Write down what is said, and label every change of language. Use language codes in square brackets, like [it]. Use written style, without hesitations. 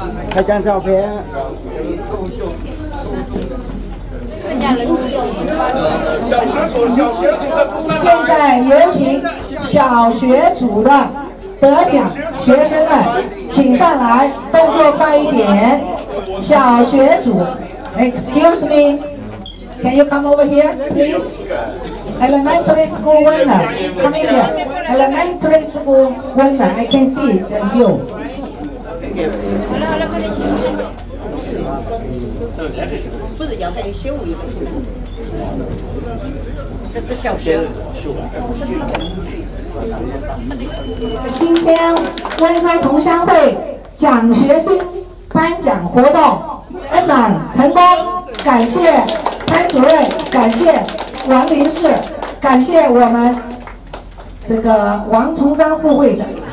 [zh] 拍张照片。剩下人小学组，小学组的不算。现在有请小学组的得奖学生们，请上来，动作快一点。小学组 [en] ，Excuse me, can you come over here, please? Elementary school winner, come here. Elementary school winner, I can see that's you. [zh] 不是要带一些物一个冲动，这是小学。今天温州同乡会奖学金颁奖活动圆满成功，感谢潘主任，感谢王林氏，感谢我们这个王崇章副会长。